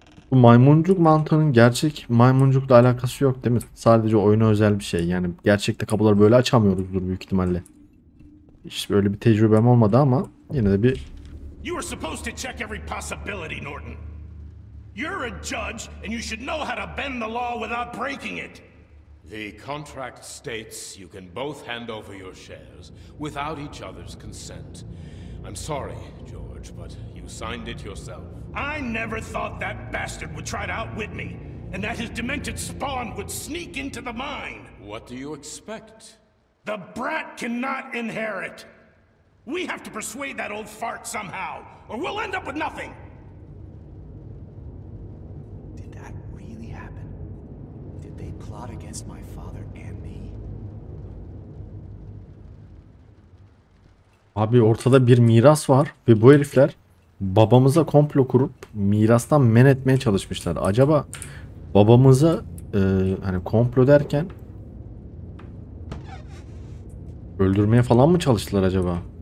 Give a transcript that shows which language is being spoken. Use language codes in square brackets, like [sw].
[tr] Bu maymuncuk mantarının gerçek maymuncukla alakası yok değil mi? Sadece oyuna özel bir şey. Yani gerçekte kapıları böyle açamıyoruzdur büyük ihtimalle. Hiç böyle bir tecrübem olmadı ama yine de bir... [en] You were supposed to check every possibility, Norton. You're a judge and you should know how to bend the law without breaking it. The contract states you can both hand over your shares without each other's consent. I'm sorry, George, but you signed it yourself. I never thought that bastard would try to outwit me, and that his demented spawn would sneak into the mine. What do you expect? The brat cannot inherit. We have to persuade that old fart somehow, or we'll end up with nothing. Did that really happen? Did they plot against my father and me? [tr] Abi ortada bir miras var ve bu herifler babamıza komplo kurup mirastan men etmeye çalışmışlar. Acaba babamıza hani komplo derken öldürmeye falan mı çalıştılar acaba?